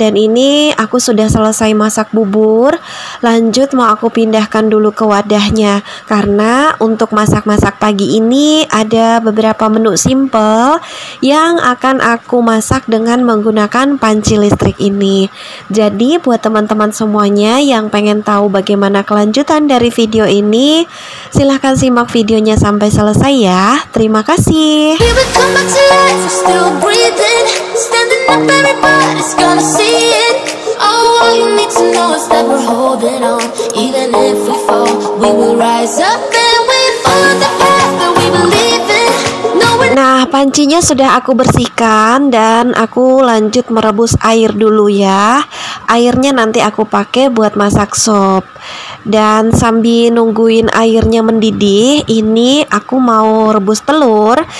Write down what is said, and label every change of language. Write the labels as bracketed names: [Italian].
[Indonesian] Dan ini aku sudah selesai masak bubur. Lanjut mau aku pindahkan dulu ke wadahnya, karena untuk masak-masak pagi ini ada beberapa menu simple yang akan aku masak dengan menggunakan panci listrik ini. Jadi buat teman-teman semuanya yang pengen tahu bagaimana kelanjutan dari video ini, silahkan simak videonya sampai selesai ya. Terima kasih. [English] Still breathing, standing up, everybody's gonna see it. Oh, all you need to know is that we're holding on. Even if we fall, we will rise up and we follow the path that we believe in. [Indonesian] Nah, pancinya sudah aku bersihkan dan aku lanjut merebus air dulu ya. Airnya nanti aku pakai buat masak sop. Dan sambil nungguin airnya mendidih, ini aku mau rebus telur.